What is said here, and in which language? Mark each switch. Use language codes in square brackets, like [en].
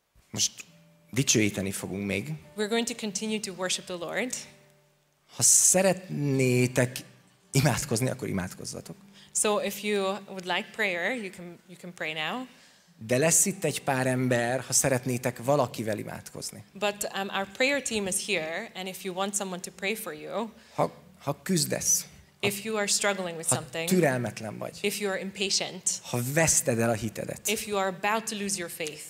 [hu] Most dicsőíteni fogunk még. [en] We're going to continue to worship the Lord. [hu] Ha szeretnétek imádkozni, akkor imádkozzatok. [en] So if you would like prayer, you can pray now. [hu] De lesz itt egy pár ember, ha szeretnétek valakivel imádkozni. [en] But our prayer team is here, and if you want someone to pray for you. [hu] Ha küzdesz. [en] If you are struggling with something. [hu] Ha türelmetlen vagy. [en] If you are impatient. [hu] Ha veszted el a hitedet. [en] If you are about to lose your faith.